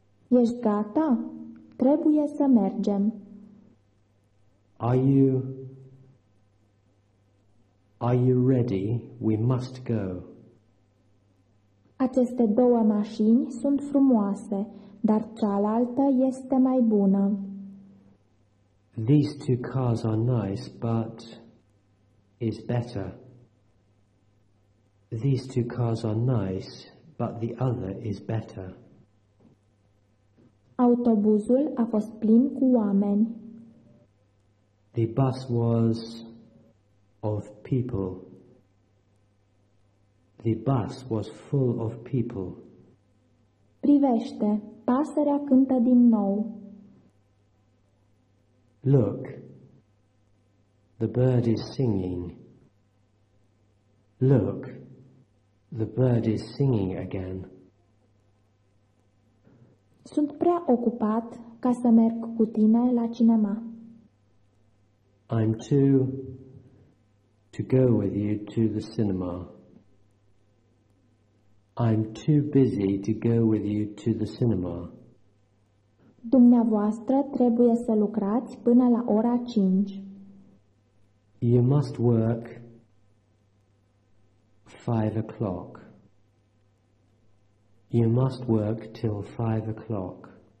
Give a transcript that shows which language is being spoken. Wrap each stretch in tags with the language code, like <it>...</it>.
<ro>Ești gata? Trebuie să mergem.</ro> <en>Are you ready? We must go.</en> <ro>Aceste două mașini sunt frumoase, dar cealaltă este mai bună.</ro> <en>These two cars are nice, but is better. These two cars are nice, but the other is better.</en> <ro>Autobuzul a fost plin cu oameni.</ro> <en>The bus was of people. The bus was full of people.</en> <ro>Privește, pasărea cântă din nou.</ro> <en>Look, the bird is singing. Look, the bird is singing again.</en> <ro>Sunt prea ocupat ca să merg cu tine la cinema.</ro> <en>I'm too to go with you to the cinema. I'm too busy to go with you to the cinema.</en> <ro>Dumneavoastră trebuie să lucrați până la ora 5.</ro> <en>You must work 5 o'clock. You must work till 5 o'clock.</en>